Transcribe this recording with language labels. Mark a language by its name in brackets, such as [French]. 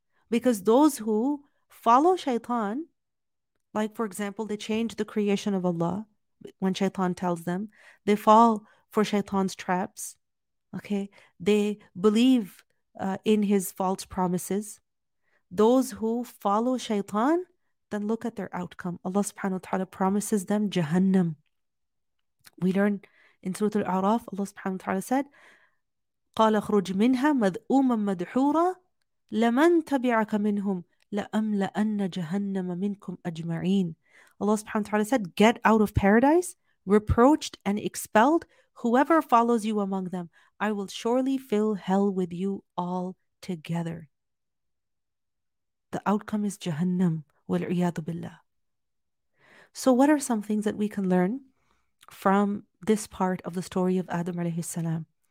[English] Because those who follow shaitan, like for example, they change the creation of Allah when shaitan tells them, they fall for shaitan's traps, okay? They believe in his false promises. Those who follow shaitan, then look at their outcome. Allah subhanahu wa ta'ala promises them Jahannam. We learn in Surah Al-A'raf, Allah subhanahu wa ta'ala said, [Arabic] قَالَ اخْرُجْ مِنْهَا مَذْءُومًا مَدْحُورًا لَمَنْ تَبِعَكَ مِنْهُمْ لَأَمْلَأَنَّ جَهَنَّمَ مِنْكُمْ أَجْمَعِينَ. [English] Allah subhanahu wa ta'ala said, get out of paradise, reproached and expelled, whoever follows you among them, I will surely fill hell with you all together. The outcome is Jahannam, [Arabic] وَالْعِيَاذُ بِاللَّهِ. [English] So what are some things that we can learn from this part of the story of Adam alayhi salam?